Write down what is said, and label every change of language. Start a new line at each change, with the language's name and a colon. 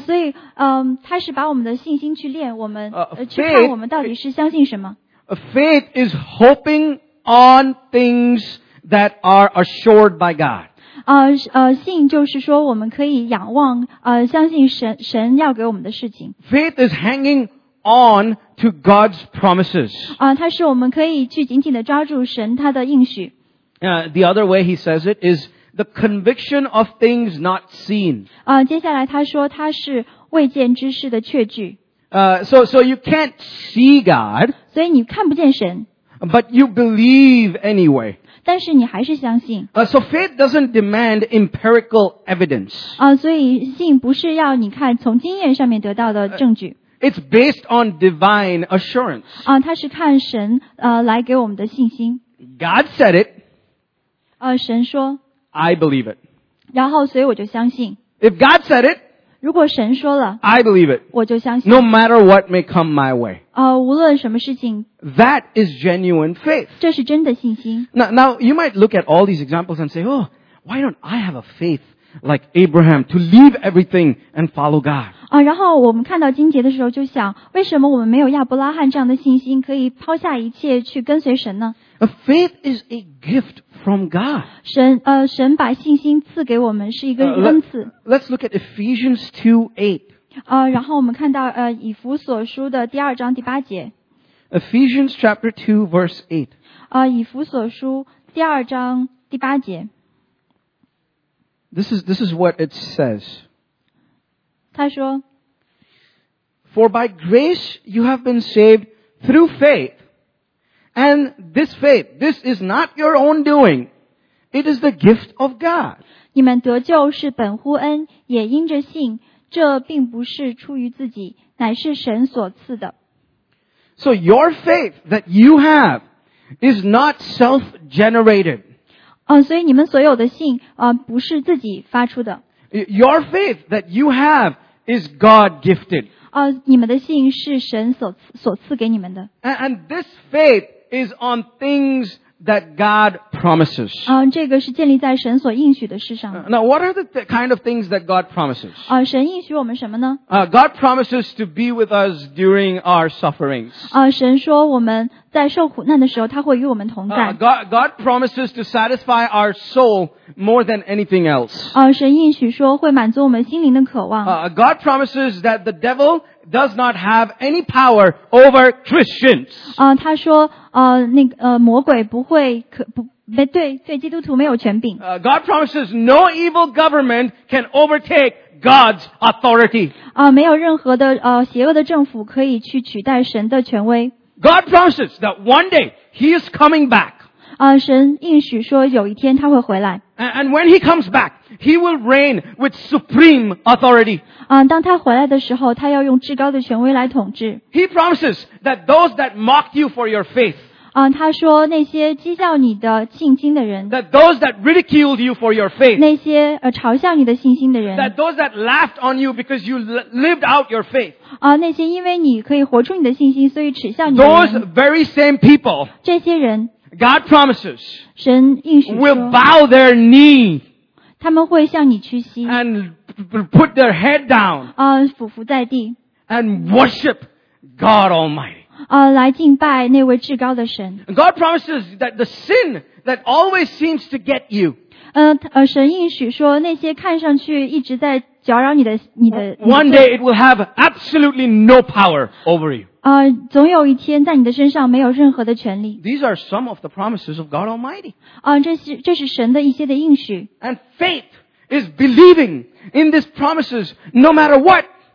Chinese: 所以他是把我们的信心去练我们去看我们到底是相信什么。
English: Faith is hoping on things that are assured by God.
Chinese: 信就是说我们可以仰望相信神要给我们的事情。
English: Faith is hanging on to God's promises.
Chinese: 它是我们可以去紧紧地抓住神他的应许。
English: The other way he says it is the conviction of things not seen.
Chinese: 接下来他说他是未见之事的确据。
English: So you can't see God.
Chinese: 所以你看不见神。
English: But you believe anyway.
Chinese: 但是你还是相信。
English: So faith doesn't demand empirical evidence.
Chinese: 所以信不是要你看从经验上面得到的证据。
English: It's based on divine assurance.
Chinese: 它是看神来给我们的信心。
English: God said it.
Chinese: 神说。
English: I believe it.
Chinese: 然后所以我就相信。
English: If God said it.
Chinese: 如果神说了。
English: I believe it.
Chinese: 我就相信。
English: No matter what may come my way.
Chinese: 无论什么事情
English: That is genuine faith.
Chinese: 这是真的信心。
English: Now, you might look at all these examples and say, oh, why don't I have a faith like Abraham to leave everything and follow God?
Chinese: 然后我们看到经节的时候就想为什么我们没有亚伯拉罕这样的信心可以抛下一切去跟随神呢
English: Faith is a gift from God.
Chinese: 神把信心赐给我们是一个恩赐。
English: Let's look at Ephesians 2:8.
Chinese: 然后我们看到以弗所书的第二章第八节。
English: Ephesians chapter 2 verse 8.
Chinese: 以弗所书第二章第八节。
English: This is what it says.
Chinese: 他说
English: For by grace you have been saved through faith. And this faith, this is not your own doing. It is the gift of God.
Chinese: 你们得救是本乎恩也因着信这并不是出于自己乃是神所赐的。
English: So your faith that you have is not self-generated.
Chinese: 所以你们所有的信不是自己发出的。
English: Your faith that you have is God-gifted.
Chinese: 你们的信是神所赐给你们的。
English: And this faith is on things that God promises.
Chinese: 这个是建立在神所应许的事上。
English: Now, what are the kind of things that God promises?
Chinese: 神应许我们什么呢?
English: God promises to be with us during our sufferings.
Chinese: 神说我们在受苦难的时候他会与我们同在。
English: God promises to satisfy our soul more than anything else.
Chinese: 神应许说会满足我们心灵的渴望。
English: God promises that the devil does not have any power over Christians.
Chinese: 他说那个魔鬼不会可不对基督徒没有权柄。
English: God promises no evil government can overtake God's authority.
Chinese: 没有任何的邪恶的政府可以去取代神的权威。
English: God promises that one day he is coming back.
Chinese: 神应许说有一天他会回来。
English: And when he comes back, he will reign with supreme authority.
Chinese: 当他回来的时候他要用至高的权威来统治。
English: He promises that those that mocked you for your faith,
Chinese: 他说那些讥笑你的信心的人
English: that those that ridiculed you for your faith,
Chinese: 那些嘲笑你的信心的人
English: that those that laughed on you because you lived out your faith,
Chinese: 那些因为你可以活出你的信心所以耻笑你的人
English: those very same people,
Chinese: 这些人
English: God promises,
Chinese: 神应许说
English: will bow their knee,
Chinese: 他们会向你屈膝
English: and put their head down,
Chinese: 俯伏在地
English: and worship God Almighty,
Chinese: 来敬拜那位至高的神。
English: God promises that the sin that always seems to get you,
Chinese: 神应许说那些看上去一直在搅扰你的
English: one day it will have absolutely no power over you.
Chinese: 总有一天在你的身上没有任何的权利。
English: These are some of the promises of God Almighty.
Chinese: 这是神的一些的应许。
English: And faith is believing in these promises no matter what.